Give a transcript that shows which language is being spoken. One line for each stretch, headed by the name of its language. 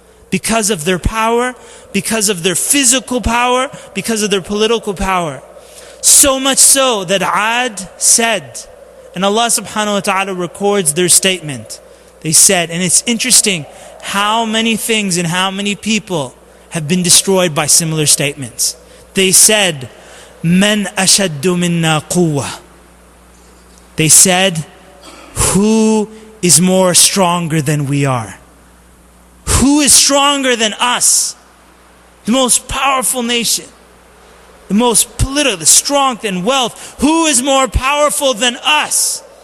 English: Because of their power, because of their physical power, because of their political power. So much so that Ad said, and Allah subhanahu wa ta'ala records their statement. They said, and it's interesting how many things and how many people have been destroyed by similar statements. They said,
Arabic: مَنْ أَشَدُّ مِنَّا قُوَّةً.
English: They said, who is more stronger than we are? Who is stronger than us? The most powerful nation. The most political, the strength and wealth. Who is more powerful than us?